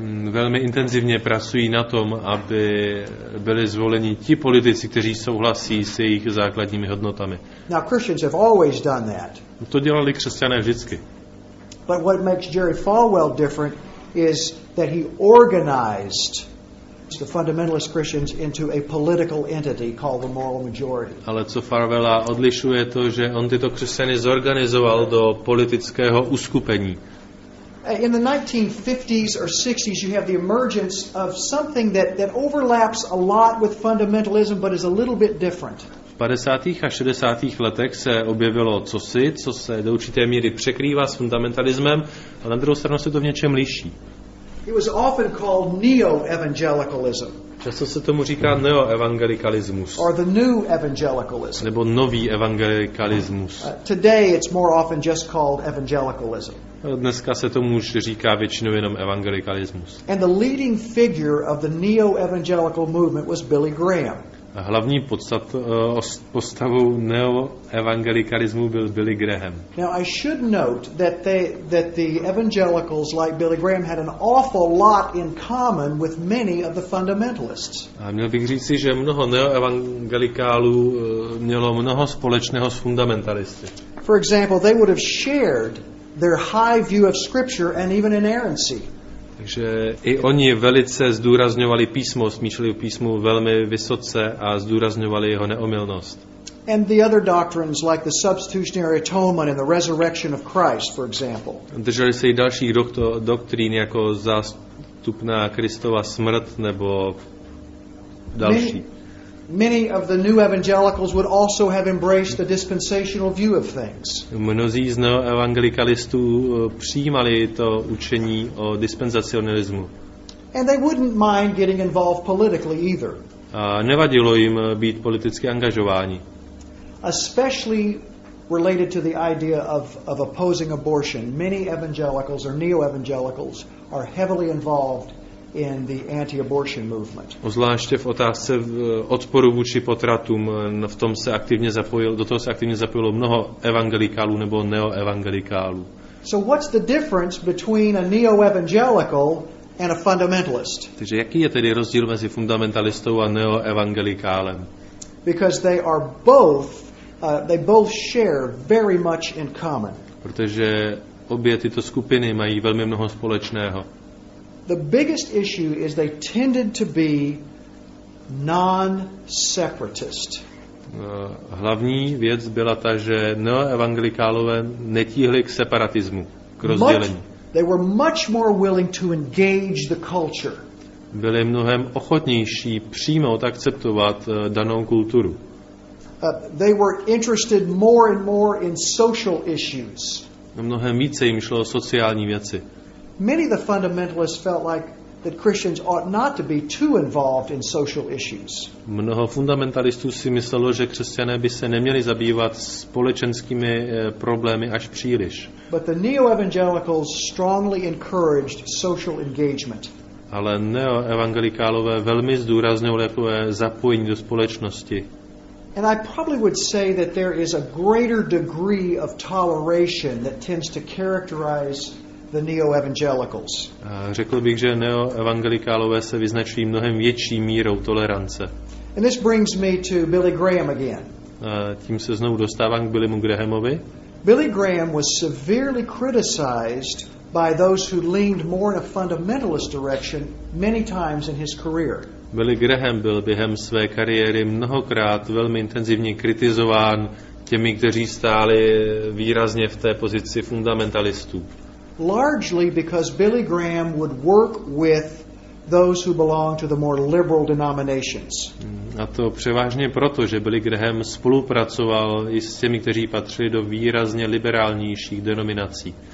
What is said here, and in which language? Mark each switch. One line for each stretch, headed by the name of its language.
Czech: Velmi intenzivně pracují na tom, aby byli zvoleni ti politici, kteří souhlasí s jejich základními hodnotami.
English: Now, Christians have always done that.
Czech: To dělali křesťané vždycky.
English: But what makes Jerry Falwell different is that he organized the fundamentalist Christians into a political entity called the Moral Majority.
Czech: Ale co Falwella odlišuje, to, že on tyto křesťany zorganizoval do politického uskupení.
English: In the 1950s or 60s, you have the emergence of something that overlaps a lot with fundamentalism, but is a little bit different.
Czech: V 50. a 60. letech se objevilo cosi, co se do určité míry překrývá s fundamentalismem, ale na druhou stranu se to v něčem liší.
English: It was often called neo-evangelicalism.
Czech: Často se tomu říká neoevangelikalismus.
English: Or the new evangelicalism.
Czech: Nebo nový evangelikalismus.
English: Today it's more often just called evangelicalism.
Czech: Dneska se tomu už říká většinou jenom evangelikalismus.
English: And the leading figure of the neo-evangelical movement was Billy Graham.
Czech: A hlavní postavou neoevangelikalismu byl Billy Graham.
English: Now I should note that the evangelicals like Billy Graham had an awful lot in common with many of the fundamentalists.
Czech: A měl bych říci, že mnoho neoevangelikálů mělo mnoho společného s fundamentalisty.
English: For example, they would have shared their high view of scripture and even inerrancy.
Czech: Takže i oni velice zdůrazňovali písmo, smýšleli o písmu velmi vysoce a zdůrazňovali jeho neomylnost.
English: And the other doctrines like the substitutionary atonement and the resurrection of Christ, for example.
Czech: Drželi se i dalších doktrín jako zástupná Kristova smrt nebo další.
English: Many of the new evangelicals would also have embraced the dispensational view of things.
Czech: Mnozí z neoevangelikalistů přijímali to učení o dispensacionalismu.
English: And they wouldn't mind getting involved politically either.
Czech: A nevadilo jim být politicky angažováni.
English: Especially related to the idea of opposing abortion, many evangelicals or neo-evangelicals are heavily involved in the anti-abortion movement.
Czech: Zvláště v otázce odporu vůči potratům, do toho se aktivně zapojilo mnoho evangelikálů nebo neoevangelikálů.
English: So what's the difference between a neo-evangelical and a fundamentalist?
Czech: Takže jaký je tedy rozdíl mezi fundamentalistou a neoevangelikálem?
English: Because they are both they both share very much in common.
Czech: Protože obě tyto skupiny mají velmi mnoho společného.
English: The biggest issue is they tended to be non-separatist.
Czech: hlavní věc byla ta, že neoevangelikálové netíhli k separatismu, k rozdělení.
English: They were much more willing to engage the culture.
Czech: Byli mnohem ochotnější přijmout, akceptovat danou kulturu.
English: They were interested more and more in social issues.
Czech: Mnohem více jim šlo o sociální věci.
English: Many of the fundamentalists felt like that Christians ought not to be too involved in social issues.
Czech: Mnoho fundamentalistů si myslelo, že křesťané by se neměli zabývat společenskými problémy až příliš.
English: But the neo-evangelicals strongly encouraged social engagement.
Czech: Ale neoevangelikálové velmi zdůrazňovali takové zapojení do společnosti.
English: And I probably would say that there is a greater degree of toleration that tends to characterize the neo-evangelicals.
Czech: Řekl bych, že neoevangelikálové se vyznačují mnohem větší mírou tolerance.
English: And this brings me to Billy Graham again.
Czech: Tím se znovu dostávám k Billymu Grahamovi.
English: Billy Graham was severely criticized by those who leaned more in a fundamentalist direction many times in his career.
Czech: Billy Graham byl během své kariéry mnohokrát velmi intenzivně kritizován těmi, kteří stáli výrazně v té pozici fundamentalistů.
English: Largely because Billy Graham would work with those who belong to the more liberal denominations.
Czech: A to převážně proto, že Billy Graham spolupracoval i s těmi, kteří patřili do výrazně liberálnějších denominací.